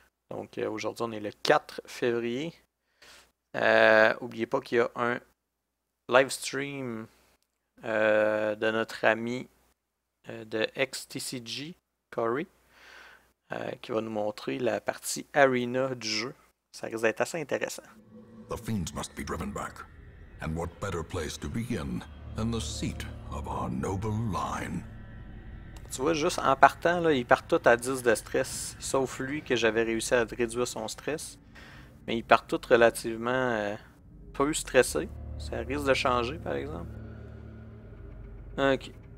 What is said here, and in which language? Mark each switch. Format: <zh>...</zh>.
<fr>Donc aujourd'hui, on est le 4 février. N'oubliez pas qu'il y a un live stream de notre ami de XTCG, Corey, qui va nous montrer la partie arena du jeu. Ça risque d'être assez intéressant.</fr> <en>The fiends must be driven back. And what better place to begin than the seat of our noble line?</en> <fr>Tu vois, juste en partant, là, ils partent tous à 10 de stress, sauf lui que j'avais réussi à réduire son stress. Mais ils partent tous relativement peu stressés. Ça risque de changer, par exemple. Ok.</fr>